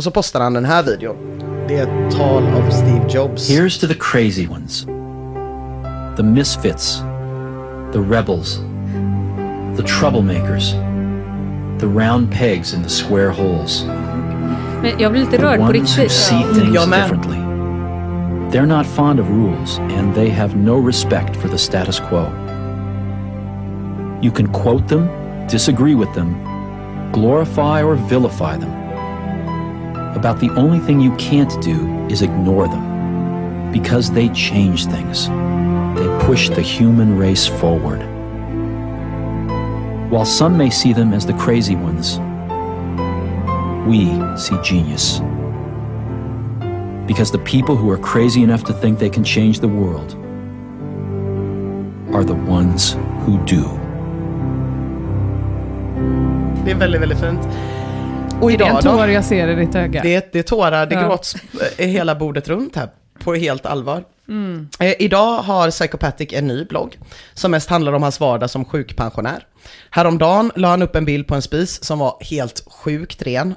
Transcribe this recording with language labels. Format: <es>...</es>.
<sv>Och så postar han den här videon. Det är ett tal av Steve Jobs.</sv> <en>Here's to the crazy ones. The misfits. The rebels. The troublemakers. The round pegs in the square holes.</en> <sv>Men jag blir lite rörd på riktigt. Ja, men...</sv> <en>They're not fond of rules, and they have no respect for the status quo. You can quote them, disagree with them, glorify or vilify them. About the only thing you can't do is ignore them, because they change things. They push the human race forward. While some may see them as the crazy ones, we see genius. Because the people who are crazy enough to think they can change the world are the ones who do.</en> <sv>Det är väldigt, väldigt fint. Och idag, är det en tår då? Jag ser i ditt öga? Det är tårar, det gråts hela bordet runt här, på helt allvar. Idag har Psychopathic en ny blogg som mest handlar om hans vardag som sjukpensionär. Häromdagen la han upp en bild på en spis som var helt sjukt ren.</sv>